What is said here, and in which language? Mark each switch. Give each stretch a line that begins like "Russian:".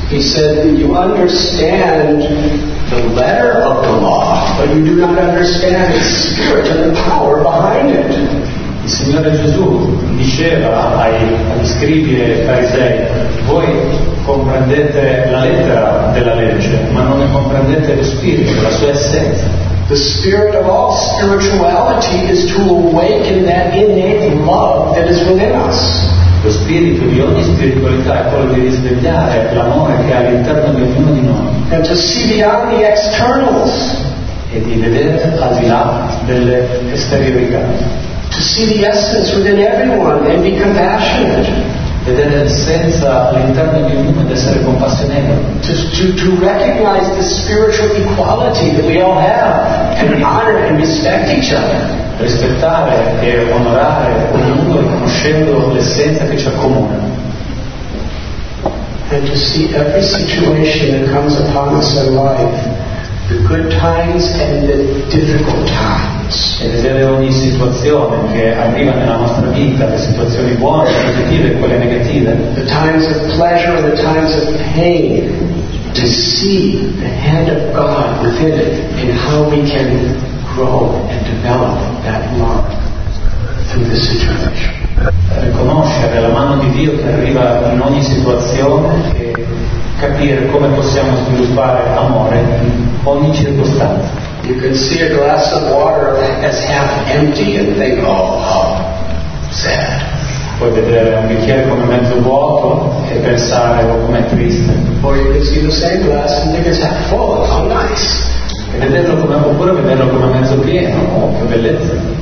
English: He said, you understand the letter of the law, but you do not understand the spirit and the power behind it.
Italian: Il Signore Gesù diceva agli scribi e farisei, voi comprendete la lettera della legge, ma non ne comprendete lo spirito, la sua essenza.
English: The spirit of all spirituality is to awaken that innate love that is within us.
Italian: Lo spirito di ogni spiritualità è quello di risvegliare l'amore che è all'interno di ognuno di noi.
English: And to see beyond the externals.
Italian: E di vedere al di là delle esteriorità.
English: To see the essence within everyone and be compassionate.
Italian: Vedere l'essenza all'interno di ognuno ed essere compassionevole.
English: To recognize the spiritual equality that we all have and honor and respect each other.
Italian: Rispettare e onorare ognuno riconoscendo l'essenza che ci accomuna.
English: And to see every situation that comes upon us in life, the good times and the difficult times.
Italian: E vedere ogni situazione che arriva nella nostra vita, le situazioni buone, le positive e quelle negative.
English: The times of pleasure, the times of pain, to see the hand of God within it and how we can grow and develop that love through the situation.
Italian: Riconoscere la mano di Dio che arriva in ogni situazione e capire come possiamo sviluppare amore in ogni circostanza.
English: You can see a glass of water as half empty and think, oh, how sad.
Italian: Puoi vedere un bicchiere come mezzo vuoto e pensare, oh, com'è triste.
English: Or you can see the same glass and think it's half full, how nice.
Italian: E vederlo come, oppure vederlo come mezzo pieno, oh, che bellezza.